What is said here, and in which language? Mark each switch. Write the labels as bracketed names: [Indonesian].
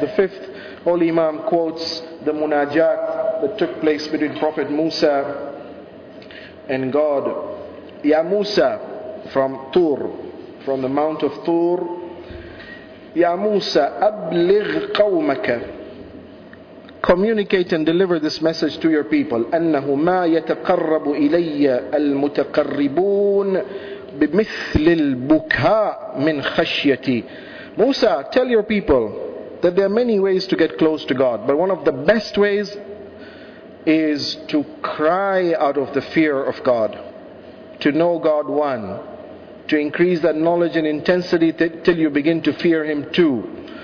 [English] The fifth holy imam quotes the munajat that took place between Prophet Musa and God. Ya Musa, from Tur, from the Mount of Tur. [Arabic] Ya Musa, abligh qawmaka. [English] Communicate and deliver this message to your people. [Arabic] أنه ما يتقرب إلي المتقربون بمثل البكاء من خشيتي. [English] Musa, tell your people that there are many ways to get close to God, but one of the best ways is to cry out of the fear of God, to know God one, to increase that knowledge and intensity till you begin to fear Him too.